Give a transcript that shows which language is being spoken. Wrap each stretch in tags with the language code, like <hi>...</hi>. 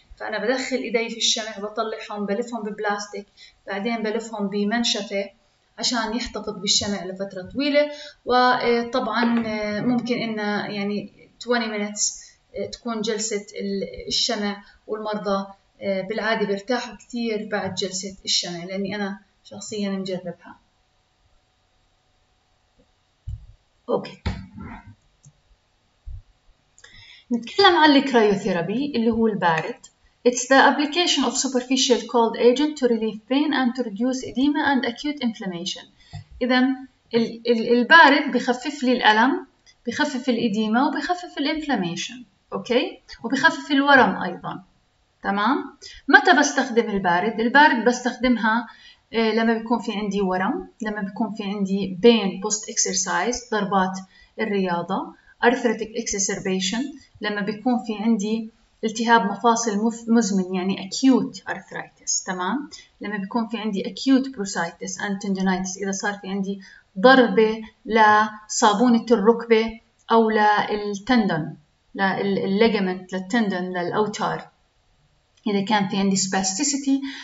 <ar>فأنا بدخل إيدي في الشمع بطلعهم بلفهم ببلاستيك بعدين بلفهم بمنشفة عشان يحتفظ بالشمع لفترة طويلة، وطبعا ممكن إن يعني 20 minutes تكون جلسة الشمع، والمرضى بالعادة بيرتاحوا كثير بعد جلسة الشمع لأني أنا شخصيا مجربها. أوكي. نتكلم عن الكريوثيرابي اللي هو البارد.</ar> <en>It's the application of superficial cold agent to relieve pain and to reduce edema and acute inflammation.</en> <ar>إذا البارد بخفف لي الألم، بخفف الإديمة، وبخفف الإنفلاميشن، أوكي؟ وبخفف الورم أيضاً، تمام؟ متى بستخدم البارد؟ البارد بستخدمها لما بيكون في عندي ورم، لما بيكون في عندي</ar> <en>pain post exercise</en> <ar>ضربات الرياضة،</ar> <en>arthritic exacerbation</en> <ar>لما بيكون في عندي التهاب مفاصل مزمن يعني acute arthritis، تمام؟ لما بيكون في عندي</ar> <en>acute bursitis and tendonitis</en> <ar>إذا صار في عندي ضربة لصابونة الركبة أو للتندن للليجمنت للتندن للأوتار، إذا كان في عندي spasticity،</ar>